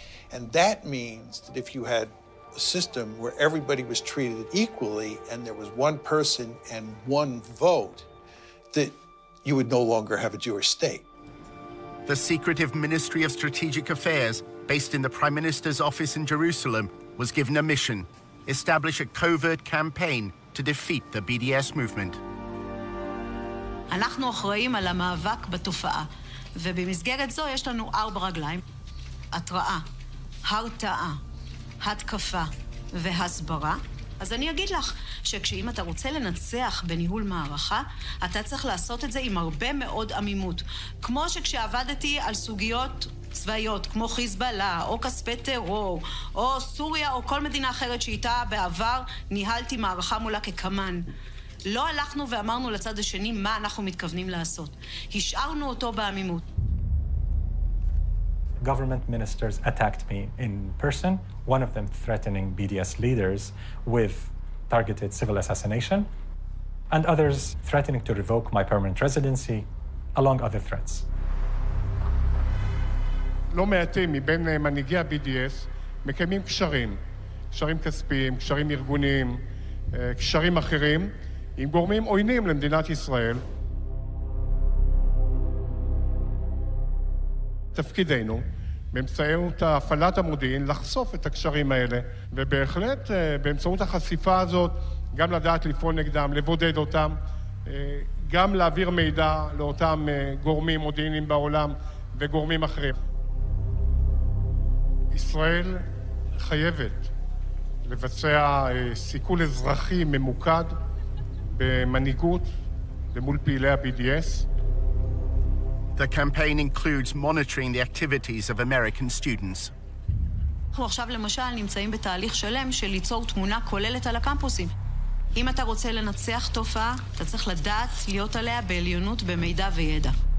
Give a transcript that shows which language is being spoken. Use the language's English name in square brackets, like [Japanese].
[English] And that means that if you had a system where everybody was treated equally and there was one person and one vote, that you would no longer have a Jewish state. The secretive Ministry of Strategic Affairs, based in the Prime Minister's office in Jerusalem, was given a mission: establish a covert campaign to defeat the BDS movement. [Hebrew] אנחנו אחראים על המאבק בתופעה, ובמסגרת זו יש לנו ארבע רגליים: התראה, הרתעה, התקפה והסברה. אז אני אגיד לך שכשאם אתה רוצה לנצח בניהול מערכה, אתה צריך לעשות את זה עם הרבה מאוד עמימות. כמו שכשעבדתי על סוגיות צבאיות, כמו חיזבאללה, או כספי טרור, או סוריה, או כל מדינה אחרת שאיתה בעבר ניהלתי מערכה מולה כקמן. לא הלכנו ואמרנו לצד השני מה אנחנו מתכוונים לעשות. השארנו אותו בעמימות. [English] Government ministers attacked me in person, one of them threatening BDS leaders with targeted civil assassination, and others threatening to revoke my permanent residency, among other threats. [Hebrew] לא מעטים מבין מנהיגי ה-BDS מקיימים קשרים כספיים, קשרים ארגוניים, קשרים אחרים, עם גורמים עוינים למדינת ישראל. תפקידנו, באמצעות הפעלת המודיעין, לחשוף את הקשרים האלה, ובהחלט באמצעות החשיפה הזאת, גם לדעת לפעול נגדם, לבודד אותם, גם להעביר מידע לאותם גורמים מודיעינים בעולם וגורמים אחרים. ישראל חייבת לבצע סיכול אזרחי ממוקד במנהיגות למול פעילי ה-BDS. [English] The campaign includes monitoring the activities of American students. [Hebrew] אנחנו עכשיו למשל נמצאים בתהליך שלם של ליצור תמונה כוללת על הקמפוסים. אם אתה רוצה לנצח תופעה, אתה צריך לדעת להיות עליה בעליונות במידע וידע.